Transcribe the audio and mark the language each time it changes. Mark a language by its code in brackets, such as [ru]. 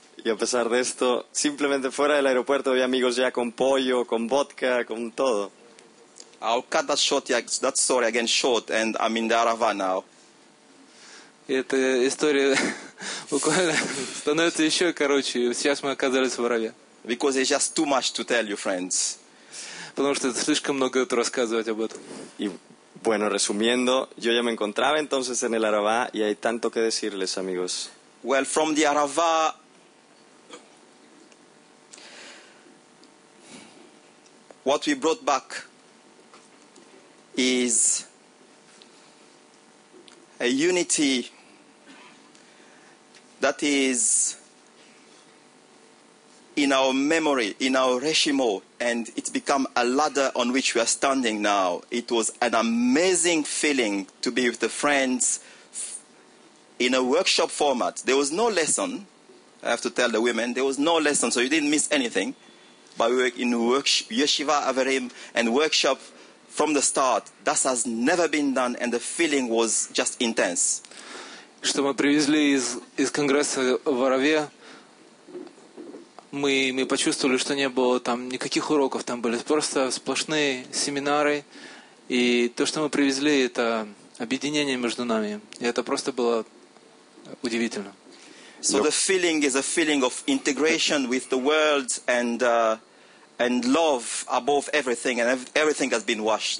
[es] Y a pesar de esto, simplemente fuera del aeropuerto había amigos ya con pollo, con vodka, con todo. [en] I'll cut that short, that story again short, and I'm in the Arava now. [ru] Эта история буквально становится еще короче. Сейчас мы оказались в Араве. [en] Because it's just too much to tell you, friends. [ru] Потому что это слишком много тут рассказывать об этом. [es] И, bueno, resumiendo, yo ya me encontraba entonces en el Arava, y hay tanto que decirles, amigos. [en] Well, from the Arava... What we brought back is a unity that is in our memory, in our reshimo, and it's become a ladder on which we are standing now. It was an amazing feeling to be with the friends in a workshop format. There was no lesson, I have to tell the women, there was no lesson, so you didn't miss anything. By working in Yeshiva Avarim and workshop from the start, that has never been done, and the feeling was just intense. [ru] Что мы привезли из Конгресса в Араве, мы почувствовали, что не было там никаких уроков, там были просто сплошные семинары, и то, что мы привезли, это объединение между нами, и это просто было удивительно. [en] So the feeling is a feeling of integration with the world and love above everything, and everything has been washed.